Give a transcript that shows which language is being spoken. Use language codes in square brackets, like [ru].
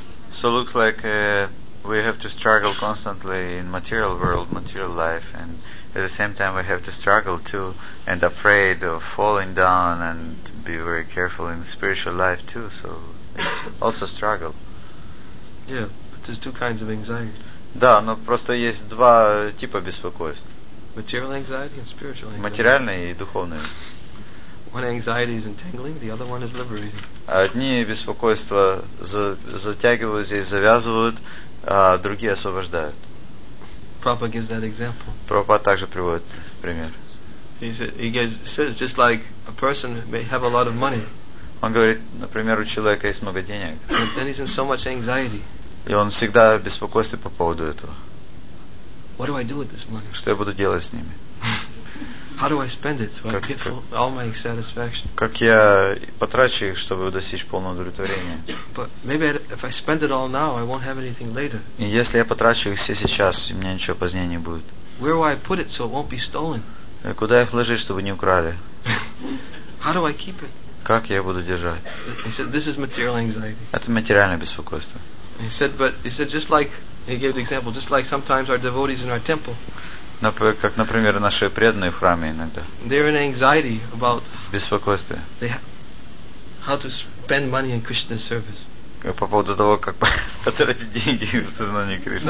[en] So it looks like we have to struggle constantly in material world, material life, and at the same time we have to struggle too and afraid of falling down and be very careful in spiritual life too, so it's also struggle. Yeah, but there's two kinds of anxiety. [ru] Да, но просто есть два типа беспокойств. [en] Material anxiety and spiritual anxiety. [ru] Материальные и духовные. [en] One anxiety is entangling, the other one is liberating. [ru] Одни беспокойства затягиваются и завязывают, а другие освобождают. [en] Prabhupada gives that example. [ru] Prabhupada также приводит пример. [en] He says just like a person may have a lot of money. [ru] Он говорит, например, у человека есть много денег. [en] But then he's in so much anxiety. [ru] И он всегда в беспокойстве по поводу этого. [en] What do I do with this money? [ru] Что я буду делать с ними? [en] How do I spend it so I get all my satisfaction? [ru] Как я потрачу их, чтобы достичь полного удовлетворения? [en] But maybe if I spend it all now, I won't have anything later. [ru] И если я потрачу их все сейчас, у меня ничего позднее не будет. [en] Where will I put it so it won't be stolen? [ru] Куда их вложить, чтобы не украли? [en] How do I keep it? [ru] Как я буду держать? [en] He said, "This is material anxiety." [ru] Это материальное беспокойство. [en] He said, just like he gave the example, just like sometimes our devotees in our temple. [ru] Как, например, наши преданные в храме иногда. [en] They're in anxiety about [ru] беспокойствие. [en] How to spend money in Krishna's service. [ru] По поводу того, как потратить деньги в сознании Кришны.